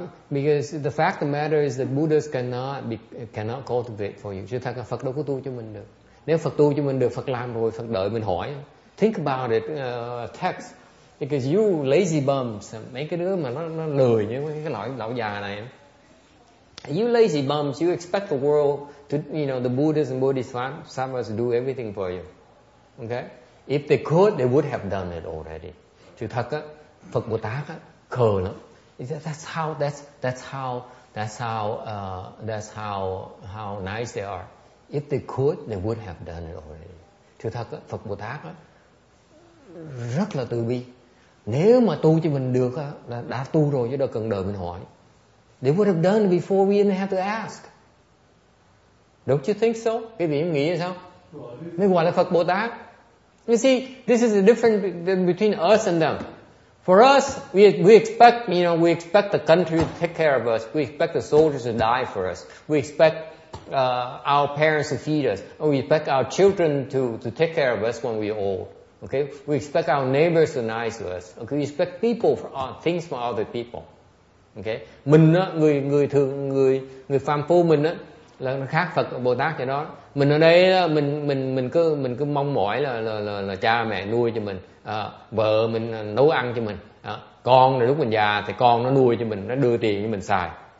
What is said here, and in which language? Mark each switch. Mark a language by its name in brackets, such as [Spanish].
[English] Because the fact of the matter is that Buddhas cannot cultivate for you. [Vietnamese] Chứ thật là Phật đâu có tu cho mình được. Nếu Phật tu cho mình được, Phật làm rồi, Phật đợi mình hỏi. [English] Think about it, text. Because you lazy bums, [Vietnamese] mấy cái đứa mà nó lười như cái loại lão già này. [English] You lazy bums, you expect the world to, you know, the Buddhas and Bodhisattvas do everything for you. Okay? If they could, they would have done it already. [Vietnamese] Chứ thật á, Phật Bồ Tát á, khờ lắm. [English] That's how nice they are. If they could, they would have done it already. [Vietnamese] Chứ thật á, Phật Bồ Tát á, rất là từ bi. Nếu mà tu cho mình được á, đã tu rồi chứ đâu cần đợi mình hỏi. [English] They would have done it before we even have to ask. Don't you think so? [Vietnamese] Quý vị nghĩ sao? Mới gọi là Phật Bồ Tát. [English] You see, this is the difference between us and them. For us, we expect, you know, we expect the country to take care of us. We expect the soldiers to die for us. We expect our parents to feed us. And we expect our children to take care of us when we're old. Okay? We expect our neighbors to be nice to us. Okay? We expect people for things from other people. Okay? [Vietnamese] Mình á, người thường, người phàm phu mình á, là nó khác Phật Bồ Tát cho đó. Mình ở đây là mình cứ mong mỏi là cha mẹ nuôi cho mình, vợ mình nấu ăn cho mình, con là lúc mình già thì con nó nuôi cho mình, nó đưa tiền cho mình xài.